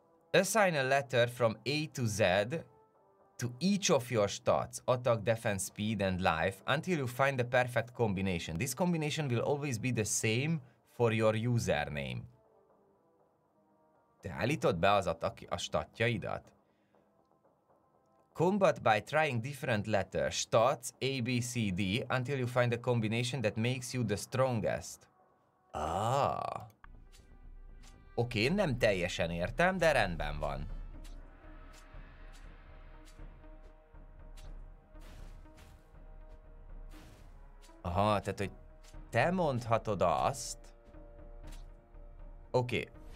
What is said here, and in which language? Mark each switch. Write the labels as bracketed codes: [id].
[en] Assign a letter from A to Z to each of your stats, attack, defense, speed and life, until you find the perfect combination. This combination will always be the same for your username. [hu] Te állítod be az a statjaidat? [en] Combat by trying different letters, stats, A, B, C, D, until you find a combination that makes you the strongest. [hu] Oké, nem teljesen értem, de rendben van. Tehát, hogy te mondhatod azt. Oké.